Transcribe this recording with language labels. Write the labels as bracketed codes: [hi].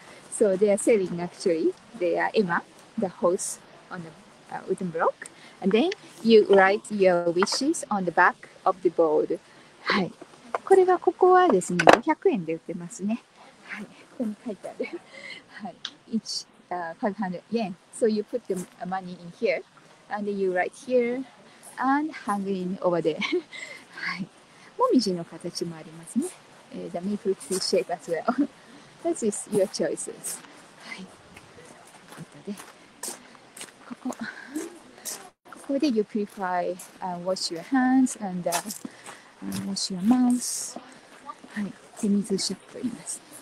[en] So they are selling actually they are Emma. The horse on the wooden block, and then you write your wishes on the back of the board. [ja] はい、これがここはですね、500円で売ってますね。はい、ここに書いてある。 [en] はい、500 yen. So you put the money in here, and then you write here, and hang in over there. [ja] はい、モミジの形もありますね。 [en] The maple tree shape as well. That is your choices. はい、で。ここで you purify and wash your hands and wash your mouth. [ja] はい、手水シャッと言います。